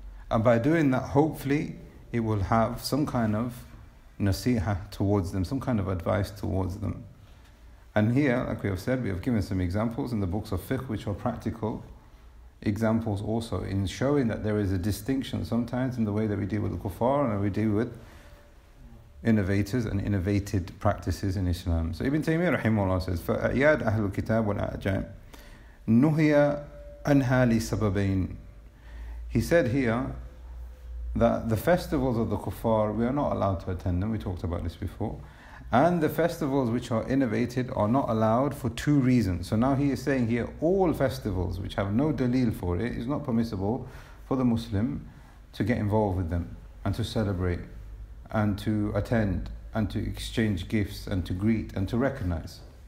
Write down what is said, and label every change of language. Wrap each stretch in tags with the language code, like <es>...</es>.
<en>And by doing that, hopefully, it will have some kind of nasiha towards them, some kind of advice towards them. And here, like we have said, we have given some examples in the books of fiqh, which are practical examples also in showing that there is a distinction sometimes in the way that we deal with the kuffar and we deal with innovators and innovated practices in Islam.</en> <ar>So Ibn Taymiyyah rahimahullah says, فَأَعْيَادْ أَهْلُ الْكِتَابُ وَالْأَعْجَامِ نُهِيَ أَنْهَا لِسَبَبَيْنِ.</ar> <en>He said here that the festivals of the kuffar, we are not allowed to attend them. We talked about this before. And the festivals which are innovated are not allowed for two reasons. So now he is saying here, all festivals which have no dalil for it, is not permissible for the Muslim to get involved with them and to celebrate and to attend and to exchange gifts and to greet and to recognize.</en>